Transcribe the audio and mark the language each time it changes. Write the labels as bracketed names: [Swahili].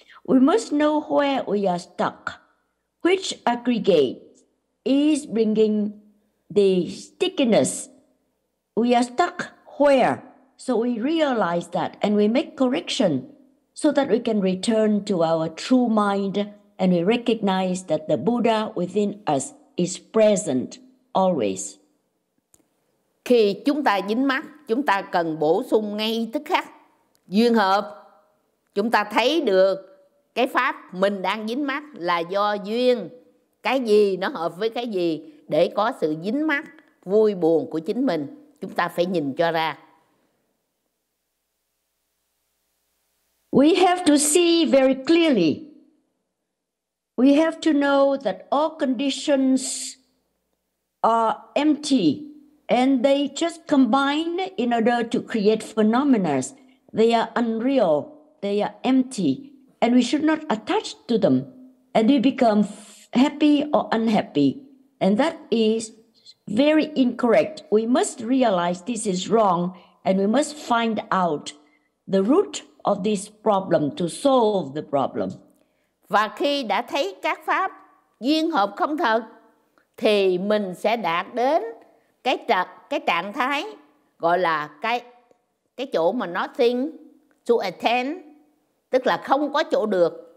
[English] We must know where we are stuck, which aggregate is bringing the stickiness. We are stuck where? So we realize that and we make correction so that we can return to our true mind and we recognize that the Buddha within us is present. Always. [Vietnamese] Khi chúng ta dính mắc, chúng ta cần bổ sung ngay tức khắc. Duyên hợp, chúng ta thấy được cái pháp mình đang dính mắc là do duyên. Cái gì nó hợp với cái gì để có sự dính mắc vui buồn của chính mình, chúng ta phải nhìn cho ra. [English] We have to see very clearly. We have to know that all conditions are empty and they just combine in order to create phenomena. They are unreal, they are empty, and we should not attach to them. And we become happy or unhappy, and that is very incorrect. We must realize this is wrong, and we must find out the root of this problem to solve the problem. [Vietnamese] Và khi đã thấy các pháp duyên hợp không thật thì mình sẽ đạt đến cái trạng thái gọi là cái chỗ mà [English] nothing to attend, [Vietnamese] tức là không có chỗ được.